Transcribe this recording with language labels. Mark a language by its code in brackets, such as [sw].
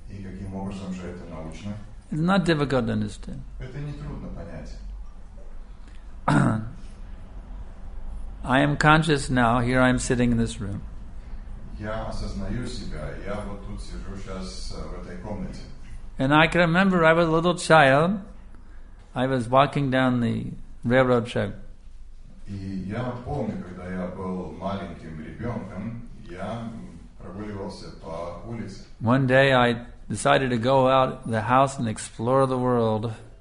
[ru] И каким образом же это научно? [en] It's not difficult to understand. [ru] Это не трудно понять. [en] I am conscious now, here I am sitting in this room. [ru] Я осознаю себя, я вот тут сижу сейчас в этой комнате. [en] And I can remember I was a little child, I was walking down the railroad track. [ru] И я помню, когда я был маленьким ребенком, я прогуливался по улице. [en] One day I decided to go out the house and explore the world.